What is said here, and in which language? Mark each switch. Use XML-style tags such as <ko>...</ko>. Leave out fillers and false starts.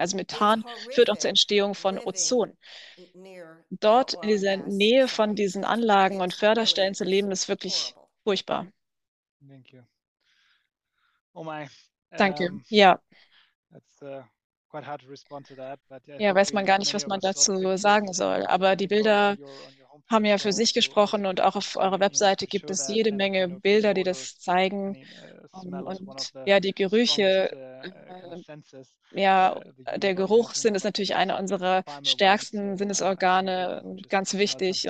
<de>Also Methan führt auch zur Entstehung von Ozon. Dort in dieser Nähe von diesen Anlagen und Förderstellen zu leben, ist wirklich furchtbar.</de> <en>Thank you. Oh my.</en> <de>Danke. Ja.</de> <en>Quite hard to respond to that, but yeah,</en> <de>ja, weiß man gar nicht, was man dazu sagen soll. Aber die Bilder haben ja für sich gesprochen und auch auf eurer Webseite gibt es jede Menge Bilder, die das zeigen. Und ja, die Gerüche, ja, der Geruchssinn ist natürlich einer unserer stärksten Sinnesorgane, ganz wichtig.</de>